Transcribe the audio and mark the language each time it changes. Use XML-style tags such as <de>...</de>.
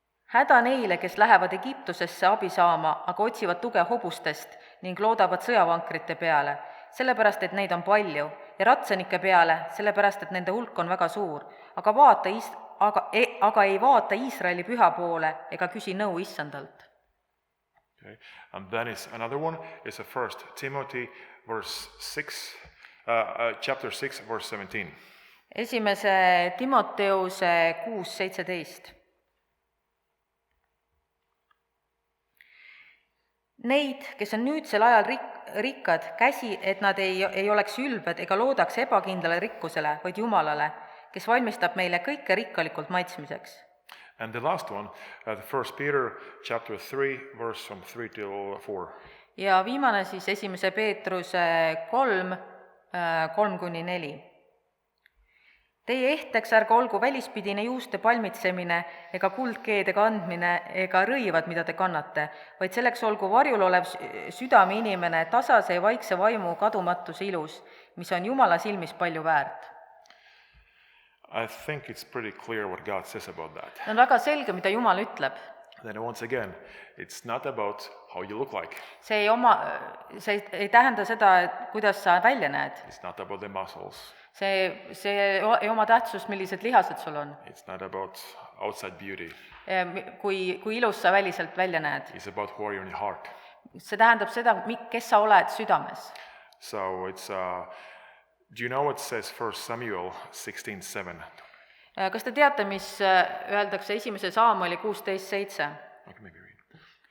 <et>Häda neile, kes lähevad Egiptusesse abi saama, aga otsivad tuge hobustest ning loodavad sõjavankrite peale, sellepärast, et neid on palju, ja ratsenike peale, sellepärast, et nende hulk on väga suur, aga ei vaata Iisraeli püha poole ega küsi nõu Issandalt.</et> <en>Okay. And then is another one, is a first Timothy verse 6, chapter 6, verse 17.</en> <et>Esimese Timoteuse 6, 17. Neid, kes on nüüdsel ajal rikkad, käsi, et nad ei oleks ülbed ega loodaks ebakindlale rikkusele, vaid Jumalale, kes valmistab meile kõike rikkalikult maitsmiseks.</et> <en>And the last one, the First Peter chapter 3, verse from 3 till 4.</en> <et>Ja viimane siis esimese Peetruse 3 kuni 4. Teie ehteks ärga olgu välispidine juuste palmitsemine ega kuldkeede kandmine ega rõivad, mida te kannate, vaid selleks olgu varjul olev südame inimene tasase ja vaikse vaimu kadumatus ilus, mis on Jumala silmis palju väärt.</et> <en>I think it's pretty clear what God says about that.</en> <et>On väga selge, mida Jumal ütleb.</et> <en>Then once again, it's not about how you look like.</en> <et>See ei tähenda seda, et kuidas sa välja näed.</et> <en>It's not about the muscles.</en> <et>See ei oma tähtsust, millised lihased sul on.</et> <en>It's not about outside beauty.</en> <et>Kui ilus sa väliselt välja näed.</et> <en>It's about who are you in your heart.</en> <et>See tähendab seda, kes sa oled südames.</et> <en>So it's do you know what says 1 Samuel 16:7?</en> <et>Kas te teate, mis öeldakse esimese Saamueli 16:7?</et> <en>Okay, maybe read.</en>